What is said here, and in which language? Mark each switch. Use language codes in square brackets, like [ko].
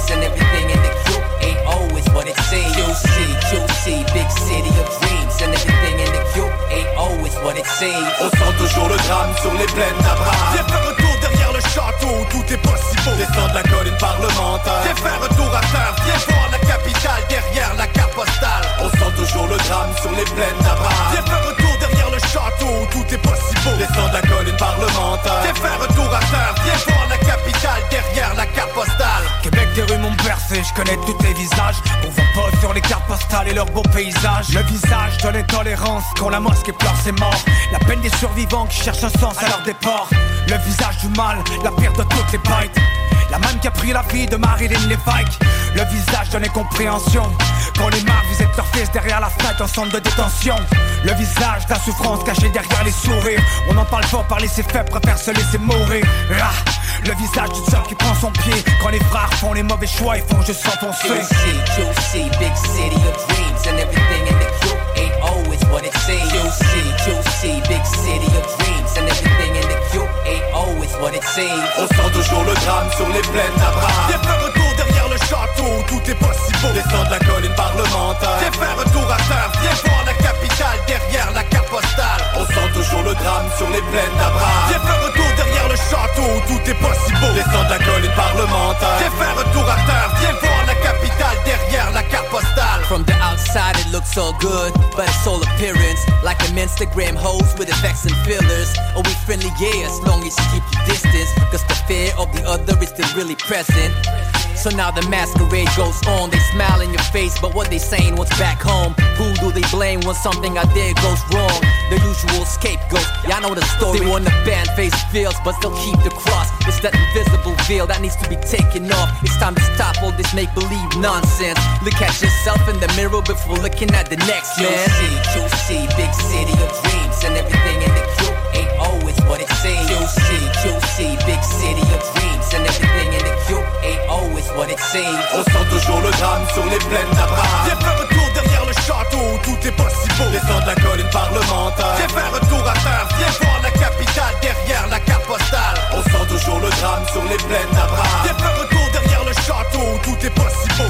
[en] And everything in the QAO is what it seems. QC, big city of dreams. And everything in the QAO is what it seems. [fr] On sent toujours le drame sur les plaines d'Abraham. Viens faire un tour derrière le château où tout est possible. Descends de la colline parlementaire. Viens faire un tour à terre. Viens voir la capitale derrière la carte postale. On sent toujours le drame sur les plaines d'Abraham. Viens faire un tour derrière le château où tout est possible. Descends de la colline parlementaire. Viens faire un tour à terre. Viens voir la capitale derrière la carte postale. Québec, tes rues m'ont percé, je connais tous tes visages. On voit pas sur les cartes postales et leurs beaux paysages. Le visage de l'intolérance, quand la mosquée pleure ses morts. La peine des survivants qui cherchent un sens à leur départ. Le visage du mal, la pire de toutes les bêtes. La même qui a pris la vie de Marilyn Levesque. Le visage de l'incompréhension, quand les marques visitent leur fils derrière la fenêtre en centre de détention. Le visage de la souffrance cachée derrière les sourires. On en parle fort, parler c'est fait, préfère se laisser mourir. Ah, le visage du diable qui prend son pied, quand les frères font les mauvais choix et font juste s'enfoncer. [en] QC, QC, big city of dreams. And everything in the QAO is what it seems. QC, QC, big city of dreams. And everything in the QAO is what it seems. [fr] On sent toujours le drame sur les plaines d'Abraham. Viens faire un tour derrière le château où tout est possible. Descends de la colline parlementaire. Viens faire un tour à terre. Viens voir la capitale derrière la carte postale. On sent toujours le drame sur les plaines d'Abraham. Viens faire un tour derrière le château où tout est possible. Descends de la colline parlementaire. Viens faire un tour à terre. Viens voir la capitale derrière la carte postale. [en] From the outside it looks all good, but it's all appearance. Like an Instagram hoes with effects and fillers. Are we friendly? Yeah, as long as you keep your distance. Cause the fear of the other is still really present. So now the masquerade goes on. They smile in your face, but what they saying, what's back home? Who do they blame when something out there goes wrong? The usual scapegoats, y'all know the story. They want to ban face feels, but still keep the cross. It's that invisible veil that needs to be taken off. It's time to stop all this make-believe nonsense. Look at yourself in the mirror before looking at the next man. QC, QC, big city of dreams. And everything in the QAO is what it seems. QC, QC, big city of dreams. And everything in the QAO is what it seems. [fr] On sent toujours le drame sur les plaines d'Abraham. Viens faire un tour derrière le château où tout est possible. Descends de la colline parlementaire. Viens faire un tour à terre. Viens voir la capitale derrière la carte postale. On sent toujours le drame sur les plaines d'Abraham. Viens faire un tour derrière le château où tout est possible.